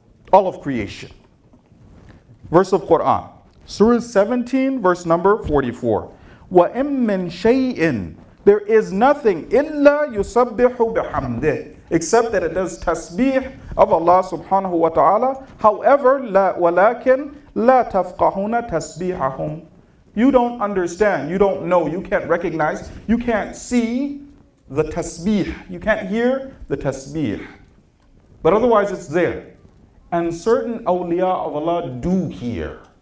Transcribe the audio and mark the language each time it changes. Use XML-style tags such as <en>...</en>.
<en>All of creation. Verse of Quran, Surah 17, verse number 44.</en> <ar>وَإِمْ مِنْ شَيْءٍ.</ar> <en>There is nothing</en> <ar>إِلَّا يُسَبِّحُ بِحَمْدِهِ</ar> <en>except that it does tasbih of Allah subhanahu wa ta'ala. However,</en> <ar>وَلَكِنْ لَا تَفْقَهُنَ تَسْبِيحَهُمْ.</ar> <en>You don't understand, you don't know, you can't recognize, you can't see the tasbih, you can't hear the tasbih. But otherwise it's there. And certain awliya of Allah do hear.</en>